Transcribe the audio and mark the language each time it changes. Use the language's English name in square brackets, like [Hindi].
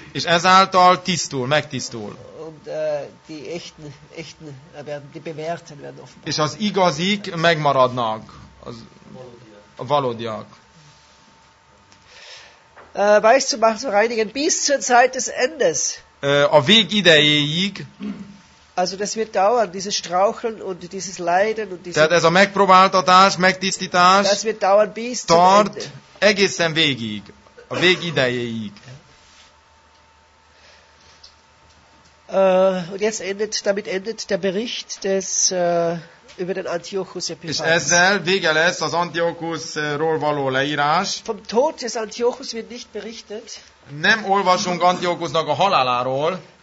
[Hungarian] És ezáltal tisztul, megtisztul. [German] Und die echten werden, die bewährten werden offenbar. [Hungarian] És az igazik megmaradnak. Az valódiak. [German] Weiß zu machen, zu reinigen, bis zur Zeit des Endes. [Hungarian] A Weg idejéig. [German] Also das wird dauern, dieses Straucheln und dieses Leiden und dieses. [Hungarian] Tehát ez a megpróbáltatás, megtisztítás. [German] Das wird dauern bis zum Ende. [Hungarian] Egészen végig, a Weg idejéig. [German] Und jetzt endet, damit endet der Bericht des über den Antiochus Epiphanes. [Hungarian] És ezzel vége lesz az Antiochusról való leírás. [German] Vom Tod des Antiochus wird nicht berichtet. [Hungarian] Nem olvasunk Antiochusnak a haláláról.